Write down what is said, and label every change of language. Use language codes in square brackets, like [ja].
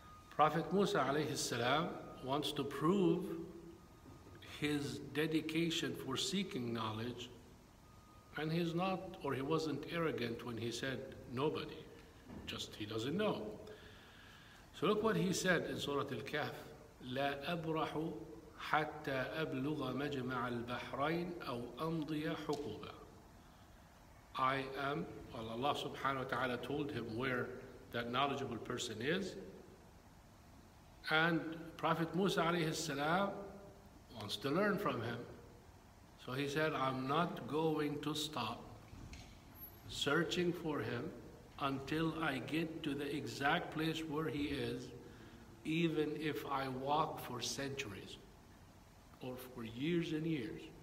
[en] Prophet Musa alayhi salam wants to prove his dedication for seeking knowledge, and he wasn't arrogant when he said nobody. Just he doesn't know. So look what he said in Surah Al-Kahf. [ar] لا أبرح حتى أبلغ مجمع البحرين أو أمضي حقوبا. [en] Allah subhanahu wa ta'ala told him where that knowledgeable person is. And Prophet Musa alayhi salam wants to learn from him. So he said, I'm not going to stop searching for him until I get to the exact place where he is, even if I walk for centuries or for years and years.